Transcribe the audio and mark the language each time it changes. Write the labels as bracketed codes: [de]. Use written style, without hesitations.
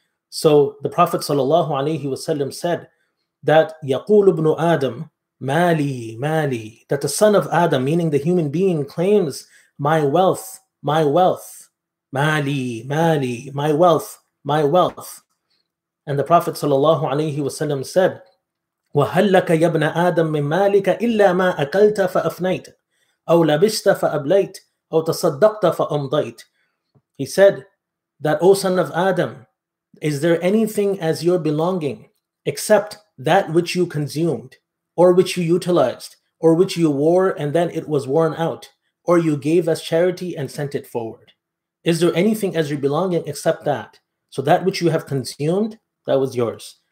[en] So the Prophet sallallahu alayhi wasallam said that [ar] Yaqul ibn Adam, Mali, Mali, [en] that the son of Adam, meaning the human being, claims, my wealth, Mali, Mali, my wealth, my wealth. [ar] And the Prophet sallallahu alayhi wasallam said, وَهَلَّكَ يَبْنَ آدَمْ مِنْ مَالِكَ إِلَّا مَا أَكَلْتَ فَأَفْنَيْتَ أَوْ لَبِسْتَ فَأَبْلَيْتَ أَوْ تَصَدَّقْتَ فَأَمْضَيْتَ. [en] He said that, O son of Adam, is there anything as your belonging except that which you consumed, or which you utilized, or which you wore and then it was worn out, or you gave as charity and sent it forward? Is there anything as your belonging except that? So that which you have consumed, that was yours.